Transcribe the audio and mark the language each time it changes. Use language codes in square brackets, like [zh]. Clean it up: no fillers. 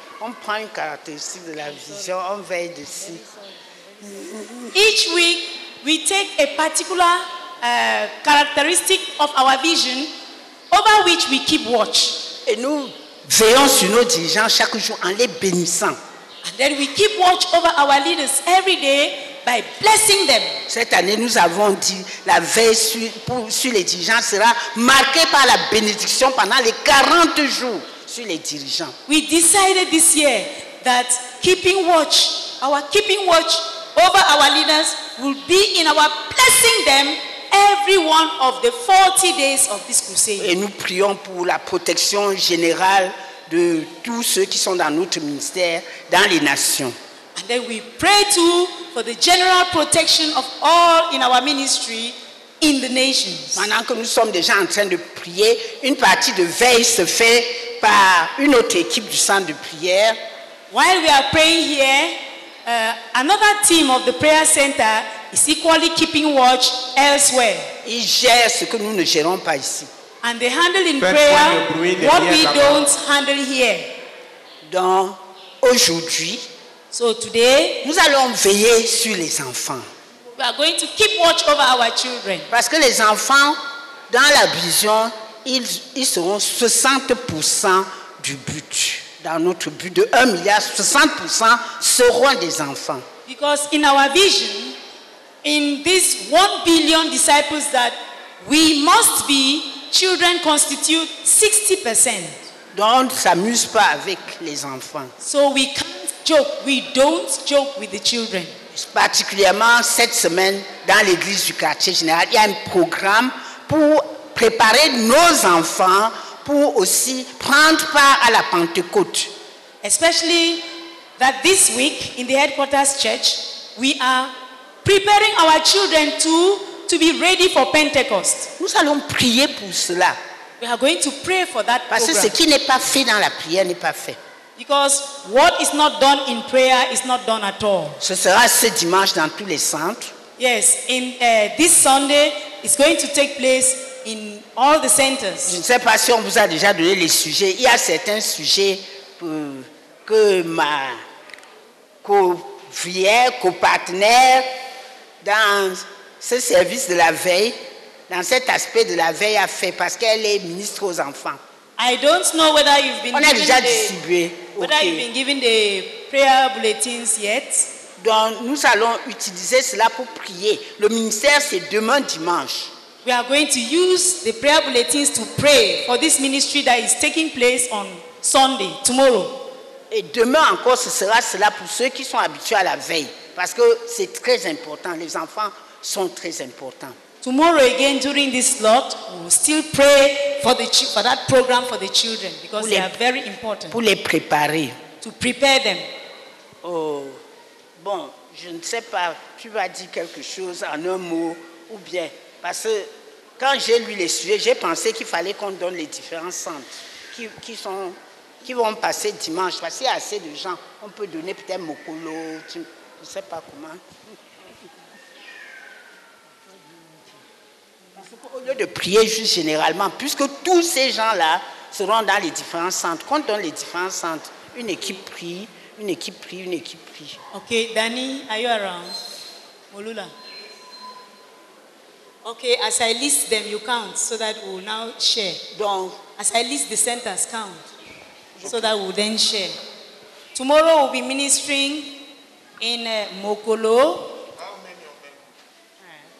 [fr] On prend une caractéristique de la vision, on veille dessus. [en] Each week, we take a particular characteristic of our vision over which we keep watch. [fr] Et nous veillons sur nos dirigeants chaque jour en les bénissant. [en] And then we keep watch over our leaders every day by blessing them. [fr] Cette année, nous avons dit la veille sur les dirigeants sera marquée par la bénédiction pendant les 40 jours sur les dirigeants. [en] We decided this year that keeping watch over our leaders will be in our blessing them every one of the 40 days of this crusade. [fr] Et nous prions pour la protection générale de tous ceux qui sont dans notre ministère dans les nations. [en] And then we pray too for the general protection of all in our ministry in the nations. [fr] Pendant que nous sommes déjà en train de prier, une partie de veille se fait par une autre équipe du centre de prière. [en] While we are praying here, another team of the prayer center is equally keeping watch elsewhere. [fr] Ils gèrent ce que nous ne gérons pas ici. [en] And they handle in prayer what we don't handle here. [fr] Donc, aujourd'hui, [en] so today, [fr] nous allons veiller sur les enfants. [en] We are going to keep watch over our children. [fr] Parce que les enfants, dans la vision, ils seront 60% du but. Dans notre but de 1 milliard, 60% seront des enfants. [en] Because in our vision, in these 1 billion disciples that we must be, children constitute 60%. [fr] Donc, on ne s'amuse pas avec les enfants. [en] So we can't joke, we don't joke with the children. [fr] Particulièrement cette semaine, dans l'église du quartier général, il y a un programme pour préparer nos enfants pour aussi prendre part à la Pentecôte. [en] Especially that this week in the headquarters church, we are preparing our children to be ready for Pentecost. [fr] Nous allons prier pour cela. [en] We are going to pray for that program. [fr] Parce que ce qui n'est pas fait dans la prière n'est pas fait. [en] Because what is not done in prayer is not done at all. [fr] Ce sera ce dimanche dans tous les centres. [en] Yes, in this Sunday it's going to take place in all the centers. [fr] Je ne sais pas si on vous a déjà donné les sujets. Il y a certains sujets que ma co-vière, co-partenaire dans ce service de la veille dans cet aspect de la veille a fait parce qu'elle est ministre aux enfants. [en] I don't know whether you've been [fr] on a déjà distribué. [en] Whether okay. you've been given the prayer bulletins yet? [fr] Donc nous allons utiliser cela pour prier. Le ministère c'est demain dimanche. [en] We are going to use the prayer bulletins to pray for this ministry that is taking place on Sunday, tomorrow. [fr] Et demain encore, ce sera cela pour ceux qui sont habitués à la veille. Parce que c'est très important. Les enfants sont très importants. [en] Tomorrow again, during this slot, we will still pray for that program for the children. Because they are very important. [fr] Pour les préparer. [en] To prepare them. [fr] Oh, bon, je ne sais pas. Tu vas dire quelque chose en un mot ou bien... Parce que quand j'ai lu les sujets, j'ai pensé qu'il fallait qu'on donne les différents centres qui vont passer dimanche. Parce qu'il y a assez de gens. On peut donner peut-être Mokolo, je ne sais pas comment. Parce qu'au lieu de prier juste généralement, puisque tous ces gens-là seront dans les différents centres, qu'on donne les différents centres, une équipe prie, une équipe prie, une équipe prie. [en] Ok, Danny, are you around? Molula. Okay, as I list them, you count so that we will now share. [fr] Donc, [en] as I list the centers, count so that we will then share. Tomorrow we'll be ministering in Mokolo. How many of them?